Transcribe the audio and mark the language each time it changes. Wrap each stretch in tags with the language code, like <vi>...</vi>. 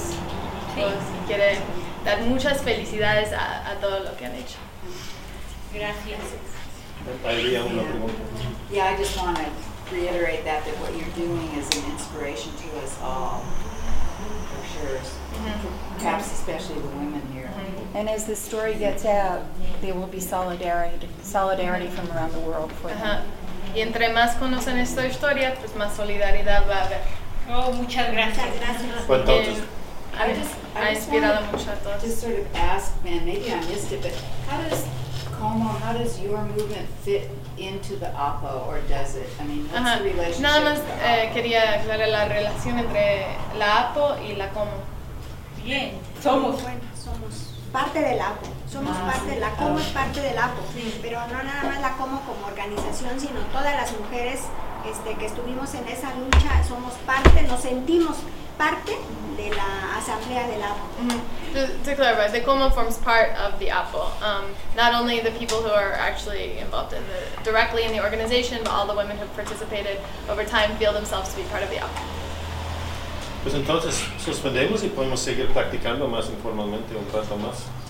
<es>Sí. Y quiere dar muchas felicidades a todo lo que han hecho. Gracias.</es> <en>Yeah, I just want to reiterate that what you're doing is an inspiration to us all. Perhaps especially the women here. And as the story gets out, there will be solidarity from around the world for them.</en> <es>Y entre más conocen esta historia, pues más solidaridad va a haber. Oh, muchas gracias.</es> <en>Well, I just</en> <es>ha inspirado mucho a todos.</es> <en>Just sort of ask, man, maybe I missed it, but how does Como, how does your movement fit into the APO, or does it? I mean, what's the relationship?</en> <es>Nada más quería aclarar la relación entre la APO y la Como. Bien. Somos. Bueno, somos parte del APO. Somos parte, la Como es parte del APO, sí. Pero no nada más la Como como organización, sino todas las mujeres que estuvimos en esa lucha, somos parte, nos sentimos parte de la asamblea del APO.</es> <en>To clarify, the Como forms part of the APO. Not only the people who are actually involved in the, directly in the organization, but all the women who have participated over time feel themselves to be part of the APO.</en> <es>Pues entonces suspendemos y podemos seguir practicando más informalmente un rato más.</es>